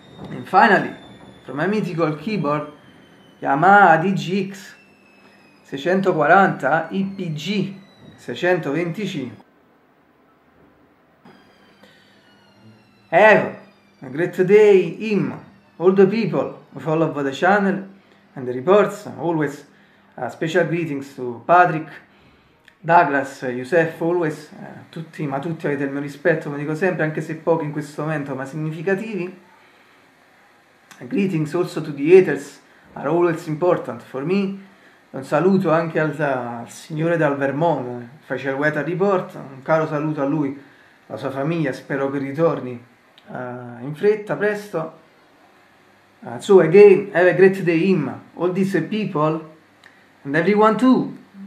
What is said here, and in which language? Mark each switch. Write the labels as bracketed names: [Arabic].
[English] And finally, from my mythical keyboard, Yamaha DGX 640 IPG 625. Have a great day, him, all the people who follow the channel and the reports. Always a special greetings to Patrick, Douglas, Youssef, always, [Italian] tutti, ma tutti avete il mio rispetto, come dico sempre, anche se pochi in questo momento, ma significativi. [English] Greetings also to the haters, are always important for me. [Italian] Un saluto anche al signore dal Vermont, faceva il weather report, un caro saluto a lui, alla sua famiglia, spero che ritorni in fretta, presto. [English] So again, have a great day, Im, all these people, and everyone too.